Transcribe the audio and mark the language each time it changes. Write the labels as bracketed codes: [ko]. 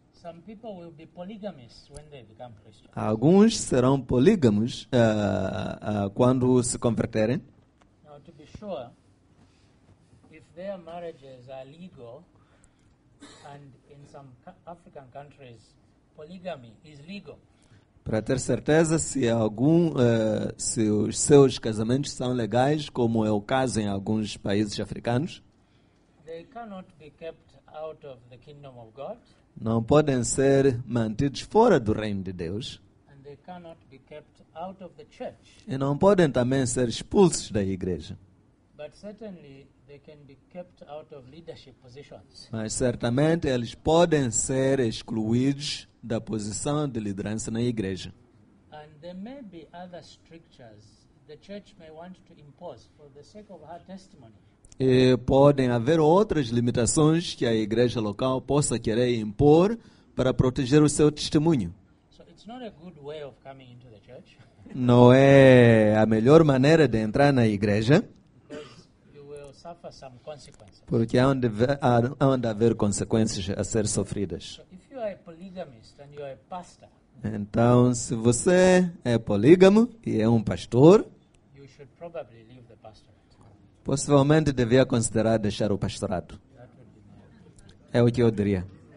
[en] Some people will be polygamous when they become Christians. [pt] Alguns serão polígamos quando se converterem. [en] Now, to be sure, if their marriages are legal, and in some African countries, polygamy is legal. [pt] Para ter certeza se algum se os seus casamentos são legais, como é o caso em alguns países africanos, [en] they cannot be kept out of the kingdom of God. [pt] Não podem ser mantidos fora do reino de Deus. [en] And they cannot be kept out of the church. [pt] E não podem também ser expulsos da igreja. [en] But certainly they can be kept out of leadership positions. [pt] Mas certamente eles podem ser excluídos da posição de liderança na igreja. [en] And there may be other strictures the church may want to impose for the sake of her testimony. [pt] E podem haver outras limitações que a igreja local possa querer impor para proteger o seu testemunho. [en] So it's not a good way of coming into the church. [pt] Não é a melhor maneira de entrar na igreja. [en] Because you will suffer some consequences. [pt] Porque há de haver consequências a ser sofridas. [en] So if you are a polygamist and you are a pastor, [pt] então, se você é polígamo e é um pastor, [en] you should probably leave the pastor. [pt] Possivelmente devia considerar deixar o pastorado. É o que eu diria.